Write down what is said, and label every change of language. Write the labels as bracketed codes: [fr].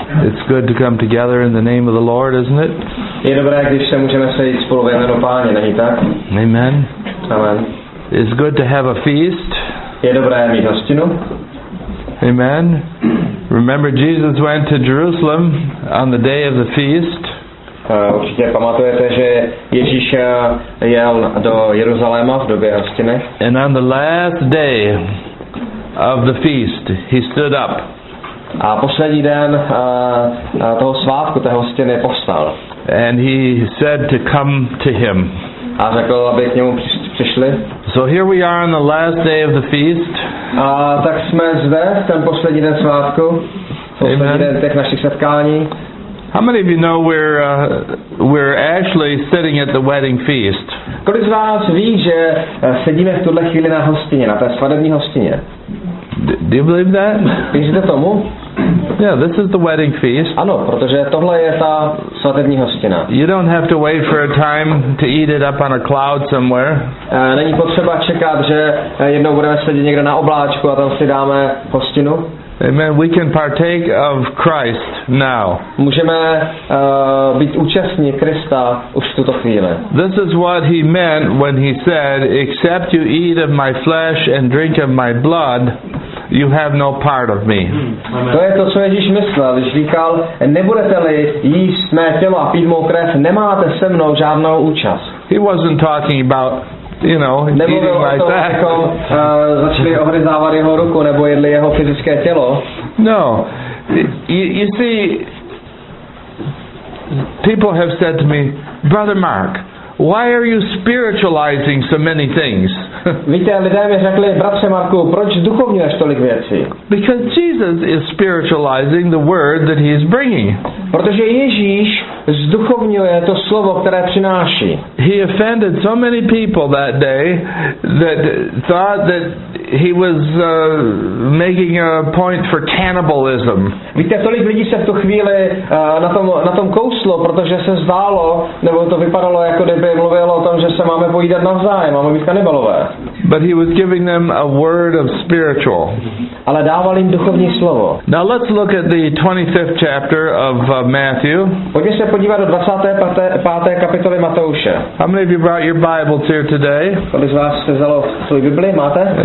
[en] It's good to come together in the name of the Lord, isn't it? [cs] Je dobré, když se můžeme sejít spolu ve jménu Páně, není tak? Amen. Amen. [en] It's good to have a feast. [cs] Je dobré mít hostinu. Amen. [en] Remember, Jesus went to Jerusalem on the day of the feast. [cs] Určitě pamatujete, že Ježíš jel do Jeruzaléma v době hostiny. [en] And on the last day of the feast, he stood up. [cs] A poslední den toho svátku, té hostiny, povstal. [en] And he said to come to him. [cs] A řekl, aby k němu přišli. [en] So here we are on the last day of the feast. [cs] A tak jsme zde, ten poslední den svátku. Poslední den těch našich setkání. [en] How many of you know we're actually sitting at the wedding feast? [cs] Kolik z vás ví, že sedíme v tuhle chvíli na hostině, na té svatební hostině? [en] Do you believe that? [cs] Věříte tomu? [en] Yeah, this is the wedding feast. [cs] Ano, protože tohle je ta svatební hostina. [en] You don't have to wait for a time to eat it up on a cloud somewhere. [cs] Není potřeba čekat, že jednou budeme sedět někde na obláčku a tam si dáme hostinu. Amen. [en] We can partake of Christ now. [cs] Můžeme být účastní Krista už v tuto chvíli. [en] This is what he meant when he said, "Except you eat of my flesh and drink of my blood, you have no part of me." [cs] To je to, co Ježíš myslel, když říkal, nebudete-li jíst mé tělo a pít mou krev, nemáte se mnou žádnou účast. [en] He wasn't talking about, you know, [cs] nebo [en] eating like [cs] to, [en] that. [cs] Abychom, začali ohryzávat jeho ruku nebo jedli jeho fyzické tělo. [en] No. You see, people have said to me, "Brother Mark, why are you spiritualizing so many things?" [cs] Víte, lidé mi řekli, bratře Marku, proč duchovňuješ tolik věcí? [en] Because Jesus is spiritualizing the word that he is bringing. [cs] Protože Ježíš zduchovňuje to slovo, které přináší. [en] He offended so many people that day that thought that he was making a point for cannibalism. [cs] Víte, tolik lidí se v tu chvíli na tom kouslo, protože se zdálo, nebo to vypadalo, jako kdyby mluvilo o tom, že se máme pojídat navzájem, máme být kanibalové. [en] But he was giving them a word of spiritual. [cs] Ale dával jim duchovní slovo. [en] Now let's look at the 25th chapter of Matthew. [cs] Pojďme se podívat do 25. kapitoly Matouše. [en] How many of you brought your Bibles here today? [cs] Kolik z vás jste vzalo svůj Bibli, máte?